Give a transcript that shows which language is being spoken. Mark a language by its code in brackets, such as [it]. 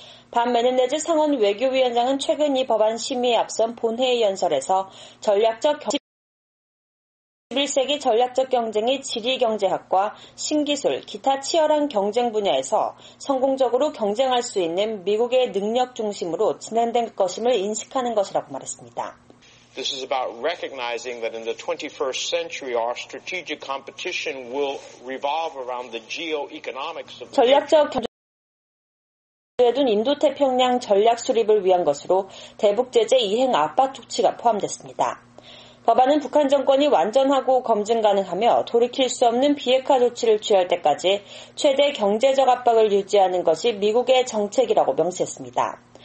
[ko] 밤 메넨데즈 상원 외교위원장은 최근 이 법안 심의에 앞선 본회의 연설에서 전략적 경쟁 21세기 전략적 경쟁이 지리경제학과 신기술, 기타 치열한 경쟁 분야에서 성공적으로 경쟁할 수 있는 미국의 능력 중심으로 진행된 것임을 인식하는 것이라고 말했습니다. [en] This is about recognizing that in the 21st century our strategic competition will revolve around the geo-economics of [ko] 전략적 경쟁에 둔 인도태평양 전략 수립을 위한 것으로 대북 제재 이행 압박 조치가 포함됐습니다. 법안은 북한 정권이 완전하고 검증 가능하며 돌이킬 수 없는 비핵화 조치를 취할 때까지 최대 경제적 압박을 유지하는 것이 미국의 정책이라고 명시했습니다.